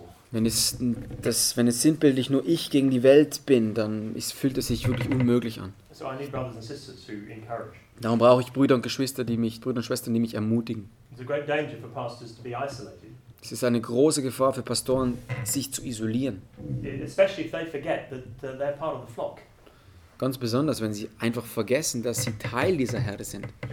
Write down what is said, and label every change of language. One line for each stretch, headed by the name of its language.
German: Wenn es sinnbildlich nur ich gegen die Welt bin, dann fühlt es sich wirklich unmöglich an.
English: So I need brothers and sisters to encourage.
German: Darum brauche ich Brüder und Schwestern, die mich ermutigen.
English: It's a great danger for pastors to be isolated.
German: Es ist eine große Gefahr für Pastoren, sich zu isolieren.
English: Especially if they forget that they're part of the flock.
German: Ganz besonders, wenn sie einfach vergessen, dass sie Teil dieser Herde sind.